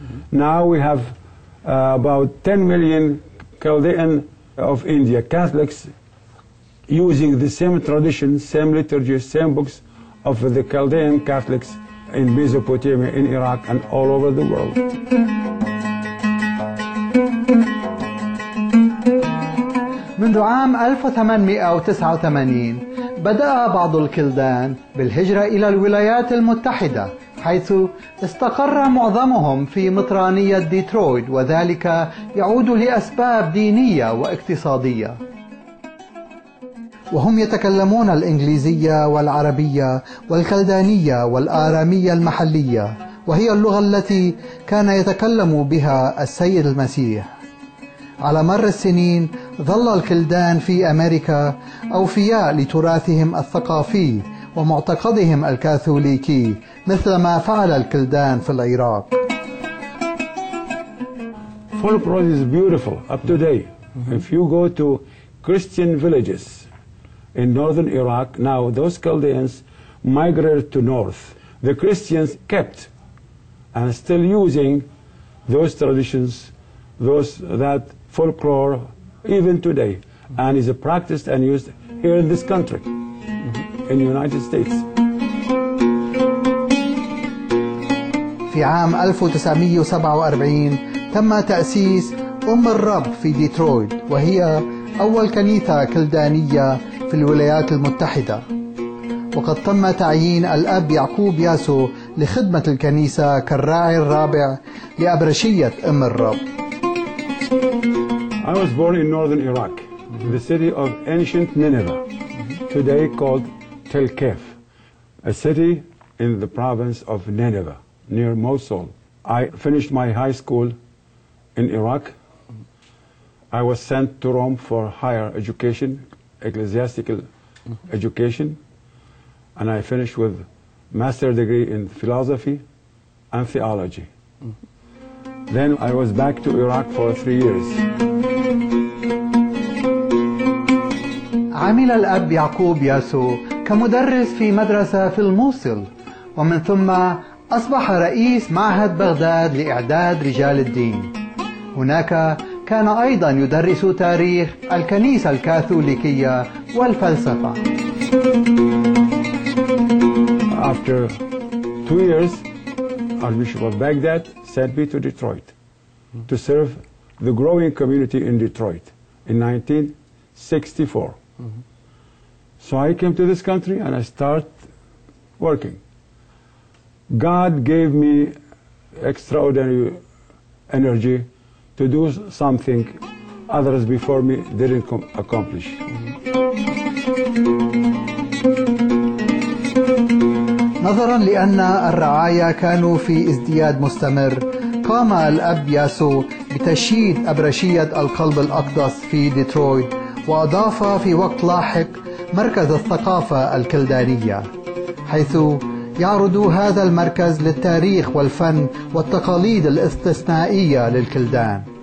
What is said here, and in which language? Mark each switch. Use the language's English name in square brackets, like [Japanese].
[English] Now we have about 10 million Chaldean of India, Catholics, using the same tradition, same liturgy, same books of the Chaldean Catholics in Mesopotamia, in Iraq, and all over the world. [Arabic] منذ عام 1889 بدأ بعض الكلدان بالهجرة إلى الولايات المتحدة، حيث استقر معظمهم في مطرانية ديترويت، وذلك يعود لأسباب دينية واقتصادية، وهم يتكلمون الإنجليزية والعربية والكلدانية والآرامية المحلية، وهي اللغة التي كان يتكلم بها السيد المسيح. على مر السنين ظل الكلدان في أمريكا أوفياء لتراثهم الثقافي ومعتقدهم الكاثوليكي مثلما فعل الكلدان في العراق. [English] Folklore is beautiful up to today. If you go to Christian villages in northern Iraq, now those Chaldeans migrated to north. The Christians kept and still using those traditions, that folklore even today, and is practiced and used here in this country. In the United States. [Arabic] في عام 1947 تم تأسيس أم الرب في ديترويت، وهي أول كنيسة كلدانية في الولايات المتحدة. وقد تم تعيين الأب يعقوب ياسو لخدمة الكنيسة كالراعي الرابع لأبرشية أم الرب. [English] I was born in northern Iraq, in the city of ancient Nineveh, today called Tel Kef, a city in the province of Nineveh, near Mosul. I finished my high school in Iraq. I was sent to Rome for higher education, ecclesiastical education, and I finished with master's degree in philosophy and theology. Then I was back to Iraq for 3 years. [Arabic] عمل الأب يعقوب ياسو كمدرس في مدرسة في الموصل، ومن ثم أصبح رئيس معهد بغداد لإعداد رجال الدين. هناك كان أيضا يدرس تاريخ الكنيسة الكاثوليكية والفلسفة. [English] After 2 years, Archbishop of Baghdad sent me to Detroit to serve the growing community in Detroit in 1964. So I came to this country and I start working. God gave me extraordinary energy to do something others before me didn't accomplish. [Arabic] نظرا لأن الرعاية كانوا في ازدياد مستمر، قام الأب ياسو بتشييد أبرشية القلب الأقدس في ديترويت، وأضاف في وقت لاحق مركز الثقافة الكلدانية، حيث يعرض هذا المركز للتاريخ والفن والتقاليد الاستثنائية للكلدان.